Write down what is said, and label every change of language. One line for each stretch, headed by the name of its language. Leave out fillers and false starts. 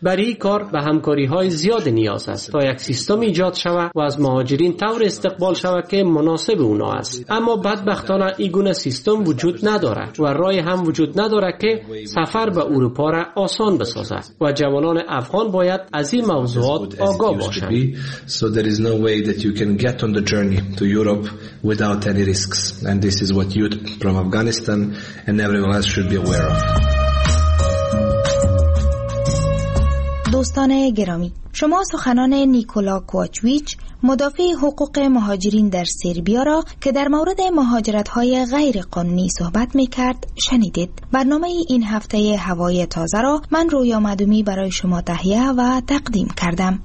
Persian: برای این کار به همکاری‌های زیاد نیاز است تا یک سیستم ایجاد شود و از مهاجرین طور استقبال شود که مناسب اونا است. اما بدبختانه این گونه سیستم وجود ندارد و راهی هم وجود ندارد که سفر به اروپا را آسان بسازد، و جوانان افغان باید از این موضوعات آگاه باشند.
English: So there is no way that you can get on the journey to Europe without any risks, and this is what youth from Afghanistan and everyone else should be aware of.
Persian: دوستان گرامی، شما سخنان نیکولا کوچویچ، مدافع حقوق مهاجرین در سربیا را که در مورد مهاجرت‌های غیر قانونی صحبت می‌کرد، شنیدید. برنامه این هفته هوای تازه را من رویا مدومی برای شما تهیه و تقدیم کردم.